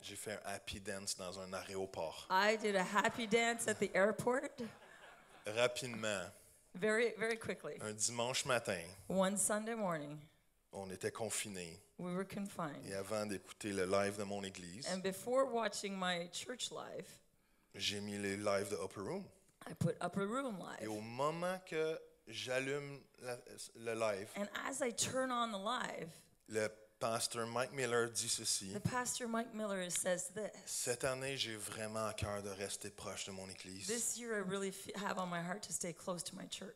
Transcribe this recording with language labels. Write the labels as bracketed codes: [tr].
[fr] J'ai fait un [en] happy dance [fr] dans un aéroport. [en] I did a happy dance at the airport. [fr] Rapidement. [en] Very, very quickly. [fr] Un dimanche matin. [en] One Sunday morning. [fr] On était confinés. [en] We were confined. [fr] Et avant d'écouter le live de mon église. [en] And before watching my church live. [fr] J'ai mis le live de Upper Room. [en] I put Upper Room live. [fr] Et au moment que j'allume le live. [en] And as I turn on the live. [fr] Le pasteur Mike Miller dit ceci. [en] The pastor Mike Miller says this. [fr] Cette année, j'ai vraiment à cœur de rester proche de mon église. [en] This year, I really have on my heart to stay close to my church.